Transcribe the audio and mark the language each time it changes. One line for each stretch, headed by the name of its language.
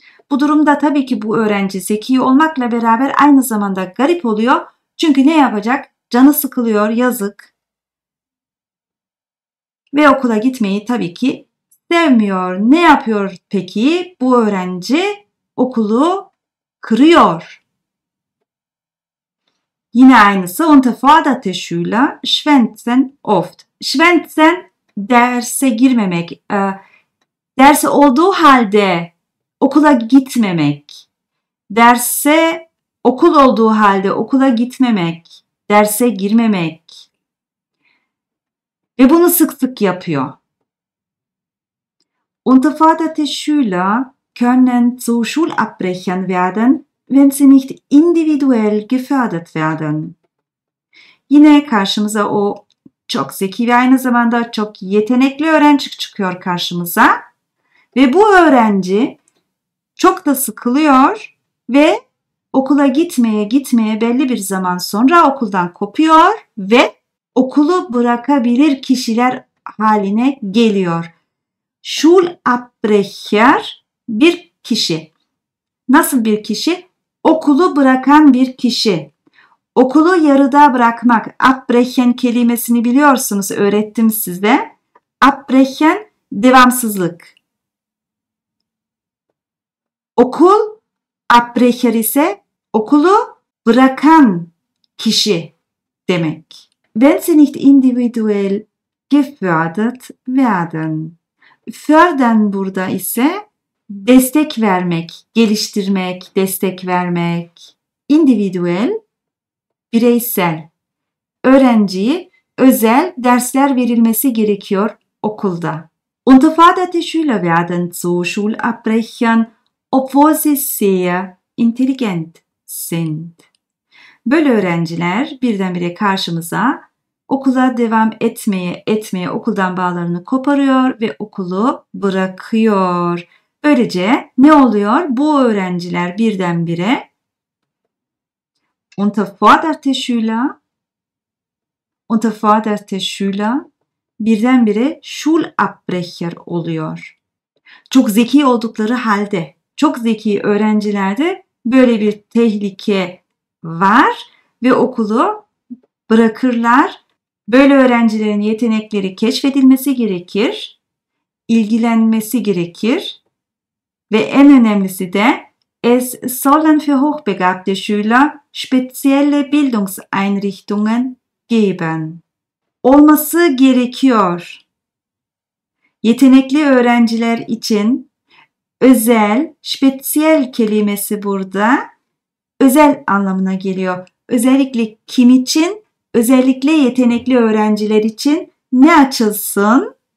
Turkish: Bu durumda tabii ki bu öğrenci zeki olmakla beraber aynı zamanda garip oluyor. Çünkü ne yapacak? Canı sıkılıyor, yazık. Ve okula gitmeyi tabii ki sevmiyor. Ne yapıyor peki? Bu öğrenci okulu kırıyor. Yine aynısı.
German: Unterforderte Schüler schwänzen oft.
Turkish: Schwänzen derse girmemek. Derse olduğu halde okula gitmemek. Derse okul olduğu halde okula gitmemek. Derse girmemek. Ve bunu sık sık yapıyor.
German: Unterforderte Schüler können zu Schulabbrechern werden, wenn sie nicht individuell gefördert werden.
Turkish: Yine karşımıza o çok zeki ve aynı zamanda çok yetenekli öğrenci çıkıyor karşımıza. Ve bu öğrenci çok da sıkılıyor ve okula gitmeye belli bir zaman sonra okuldan kopuyor ve okulu bırakabilir kişiler haline geliyor. Schulabbrecher bir kişi. Nasıl bir kişi? Okulu bırakan bir kişi. Okulu yarıda bırakmak. Abbrechen kelimesini biliyorsunuz, öğrettim size. Abbrechen devamsızlık. Okul abbrecher ise okulu bırakan kişi demek.
German: Wenn sie nicht individuell gefördert werden.
Turkish: Fördern burada ise destek vermek, geliştirmek, destek vermek. Individuell, bireysel. Öğrenciye özel dersler verilmesi gerekiyor okulda.
German: Unterforderte Schüler werden zu Schulabbrechern, obwohl sie sehr intelligent sind.
Turkish: Böyle öğrenciler birdenbire karşımıza okula devam etmeye okuldan bağlarını koparıyor ve okulu bırakıyor. Böylece ne oluyor? Bu öğrenciler birdenbire
German: unterforderte Schüler
Turkish: birdenbire Schulabbrecher oluyor. Çok zeki oldukları halde, çok zeki öğrencilerde böyle bir tehlike var ve okulu bırakırlar. Böyle öğrencilerin yetenekleri keşfedilmesi gerekir, ilgilenmesi gerekir. Ve en önemlisi de
German: es sollen für hochbegabte Schüler spezielle Bildungseinrichtungen geben.
Turkish: Olması gerekiyor. Yetenekli öğrenciler için özel, spezielle kelimesi burada özel anlamına geliyor. Özellikle kim için? Özellikle yetenekli öğrenciler için ne açılsın?